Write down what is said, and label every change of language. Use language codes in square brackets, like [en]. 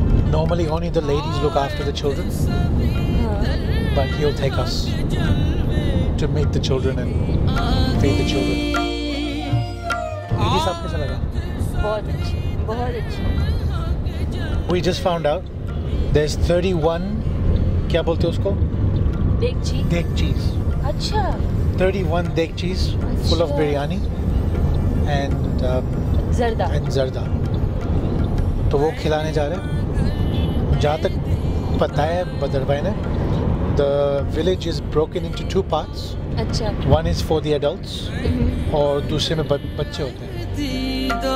[en] Normally only the ladies look after the children. But he'll take us to meet the children and feed the children. Didi, how did you feel? Very good. We just found out there's 31. [ur] کیا بولتے اس کو؟ Dekchi. دیگچیز۔ Acha. [en] 31 dekchis full of biryani and zarda. [ur] And زردہ. تو وہ کھلانے جا رہے۔ جہاں تک پتہ ہے بدر بھائی نے۔ [en] The village is broken into two parts. [ur] Achha. [en] One is for the adults, [ur] اور دوسرے میں بچے ہوتے